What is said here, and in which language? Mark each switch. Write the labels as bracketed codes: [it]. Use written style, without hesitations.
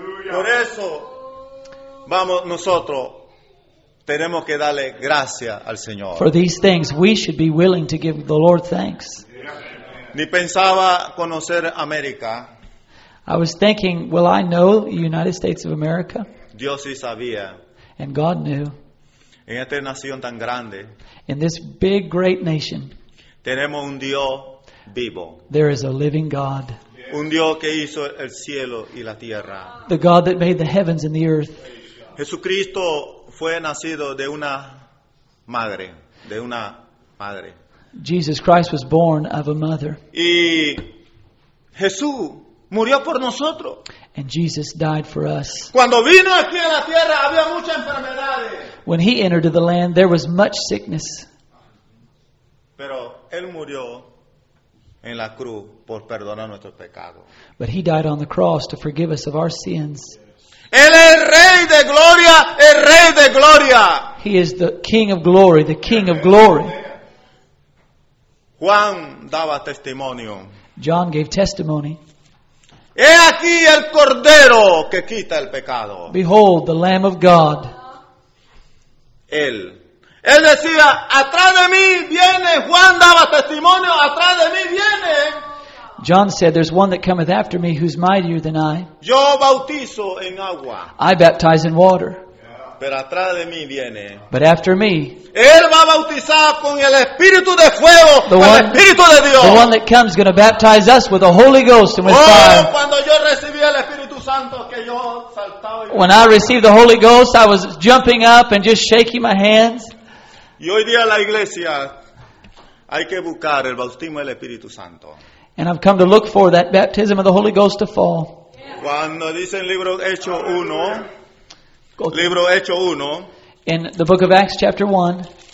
[es] Por eso, vamos, nosotros tenemos que darle gracias al Señor. [en] For these things, we should be willing to give the Lord thanks. [es] Ni pensaba conocer América. [en] I was thinking, will I know the United States of America? [es] Dios sí sabía. [en] And God knew. [es] En esta nación tan grande. [en] In this big, great nation. [es] Tenemos un Dios. [en] There is a living God. [es] Un Dios que hizo el cielo y la tierra. [en] The God that made the heavens and the earth. [es] Jesucristo fue nacido de una madre. De una madre. [en] Jesus Christ was born of a mother. [es] Y Jesús murió por nosotros. [en] And Jesus died for us. [es] Cuando vino aquí a la tierra, había muchas enfermedades. [en] When he entered the land, there was much sickness. [es] Pero él murió en la cruz por perdonar nuestros pecados. [en] But he died on the cross to forgive us of our sins. [es] Él es Rey de Gloria, el Rey de Gloria. [en] He is the King of Glory, the King of Glory. [es] Juan daba testimonio. [en] John gave testimony. [es] He aquí el Cordero que quita el pecado. [en] Behold, the Lamb of God. [es] Él. Él decía, atrás de mí viene. Juan daba testimonio, atrás de mí viene. [en] John said, there's one that cometh after me who's mightier than I. [es] Yo bautizo en agua. [en] I baptize in water. [es] Pero atrás de mí viene. [en] But after me. [es] Él va a bautizar con el Espíritu de fuego, con el Espíritu de Dios. [en] The one that comes is going to baptize us with the Holy Ghost and with fire. [es] Cuando yo recibí el Espíritu Santo, que yo saltaba. [en] When I received the Holy Ghost, I was jumping up and just shaking my hands. [es] Y hoy día la iglesia hay que buscar el bautismo del Espíritu Santo. [en] And I've come to look for that baptism of the Holy Ghost to fall. [es] Cuando dice en libro Hechos 1, libro Hechos 1, [en] in the book of Acts chapter 1,